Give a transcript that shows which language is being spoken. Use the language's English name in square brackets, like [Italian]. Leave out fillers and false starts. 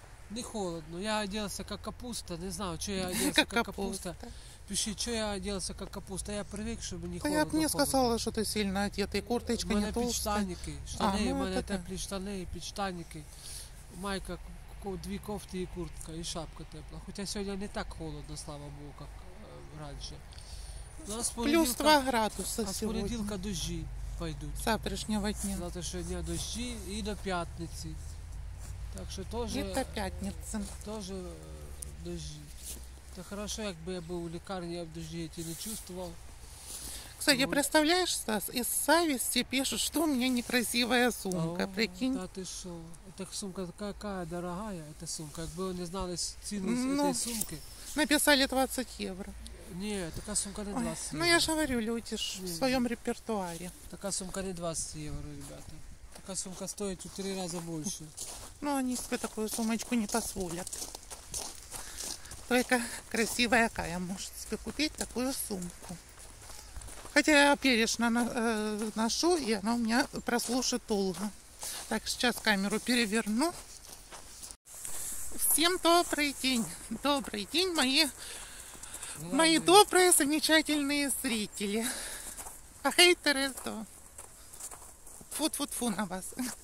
[Russian] Не холодно. Я оделся как капуста. Не знаю, что я оделся как капуста. Пиши, что я оделся как капуста. Я привык, чтобы не холодно. Я бы не сказала, что ты сильно одетый. Курточка не толстая. У меня пичтанники. Штаны. У меня теплые штаны и пичтанники. Майка. [Ukrainian] Дві кофти і куртка, і шапка тепла. Хоча сьогодні не так холодно, слава Богу, як раніше. Плюс 2 градуси сьогодні. А з понеділка дощі пойдуть. Завтрашнього дня. Завтрашнього дня дощі і до п'ятниці. Так що теж... І до п'ятниці. Теж дощі. Та хорошо, якби я був у лікарні, я б дощі ті не чувствував. Кстати, представляєш, Стас, із совісті пишуть, що у мене некрасива сумка, о, прикинь. Та ти що? Так сумка така дорога, ця сумка. Якби вони знали ціну ну, цієї сумки. Написали 20 євро. Ні, така сумка не 20 євро. Ну я ж говорю, люди ж в своєму репертуарі. Така сумка не 20 євро, ребята. Така сумка стоїть у 3 рази більше. Ну вони собі таку сумочку не дозволять. Тільки красива яка може собі купити таку сумку. Хоча я перешна ношу, і вона у мене прослушає довго. [Russian] Так, сейчас камеру переверну. Всем добрый день. Добрый день, мои добрые, замечательные зрители. А хейтеры, то... Фу-фу-фу на вас.